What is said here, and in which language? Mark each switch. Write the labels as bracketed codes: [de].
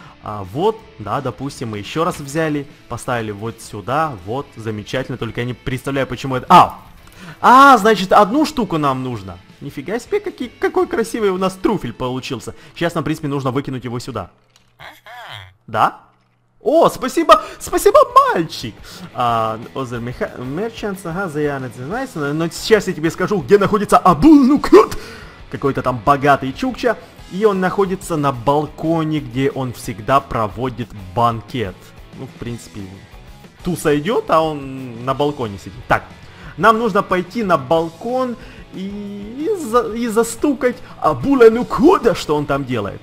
[ru] А вот, да, допустим, мы еще раз взяли, поставили вот сюда. Вот, замечательно, только я не представляю, почему это... А! А, значит, одну штуку нам нужно. Нифига себе, какой красивый у нас труфель получился. Сейчас нам, в принципе, нужно выкинуть его сюда. Да? О, спасибо, спасибо, мальчик! [en] Other merchants, [ru] ага, [en] they are not nice. [ru] Но сейчас я тебе скажу, где находится Абулнукрут! Какой-то там богатый чукча. И он находится на балконе, где он всегда проводит банкет. Ну, в принципе, туса идет, а он на балконе сидит. Так, нам нужно пойти на балкон и застукать Абуланукуда, что он там делает.